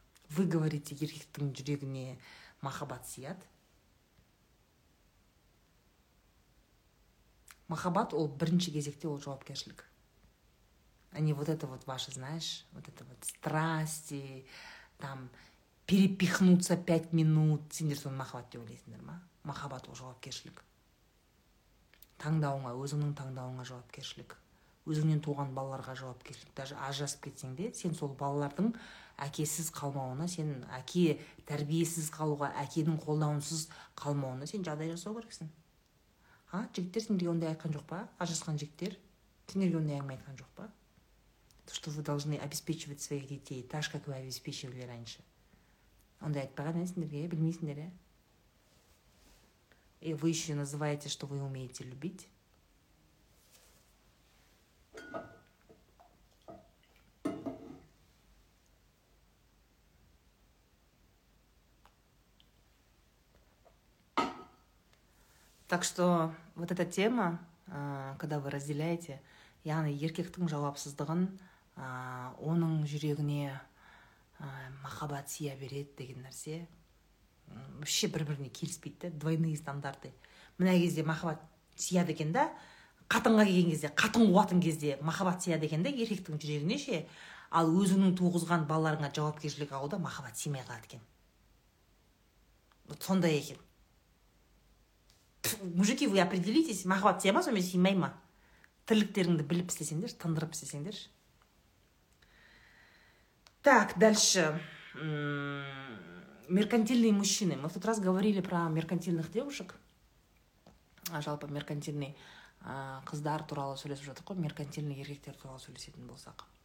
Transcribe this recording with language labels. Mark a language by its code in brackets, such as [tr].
[ru] Вы говорите, [kk] еркектің жүрегіне махаббат сияды. Махаббат ол бірінші кезекте ол жауапкершілік. [ru] Они вот это вот ваше, знаешь, вот это вот страсти, там перепихнуться 5 минут, [kk] сендер соны махаббат деп ойлайсыңдар ма? Махаббат ол жауапкершілік. Таңдауыңа, өзіңнің таңдауыңа жауапкершілік. Өзіңнен туған балаларға жауапкершілік. Даже ажырасып кетсең де, сен сол балалардың әкесіз қалмауына, сен әке тәрбиесіз қалуға, әкенің қолдауынсыз қалмауына сен жағдай жасау керексің. А, жігіттер сендерге ондай айтқан жоқ па? Ажырасқан жігіттер сендерге ондай әңгіме айтқан жоқ па? [ru] То, что вы должны обеспечивать своих детей, так же, как вы обеспечивали раньше. [kk] Ондай айтпаған сендерге, білмейсіңдер, а? [ru] И вы еще называете, что вы умеете любить. Так что вот эта тема, когда вы разделяете, [kk] яғни еркектің жауапсыздығын, оның жүрегіне махаббат сия береді деген нәрсе, вообще бір-біріне келіспейді, [ru] двойные стандарты. [kk] Мына кезде махаббат сия деген да, қатынға келген кезде, қатын қуатын кезде махаббат сия деген де еркектің жүрегіне ше, ал өзінің туғызған балаларыңа жауапкершілік алуда махаббат сиймей қалады екен. Вот сондай екен. [ru] Мужики, вы определитесь, [kk] махаббат сия ма, сонымен сиймай ма. Тірліктеріңді біліп істесеңдерші, тындырып істесеңдерші. [ru] Так, дальше. Меркантильные мужчины. Мы в тот раз говорили про меркантильных девушек. [kk] Жалпы меркантильный қыздар туралы сөйлесіп жатырмыз ғой, меркантильный еркектер туралы сөйлесетін болсақ.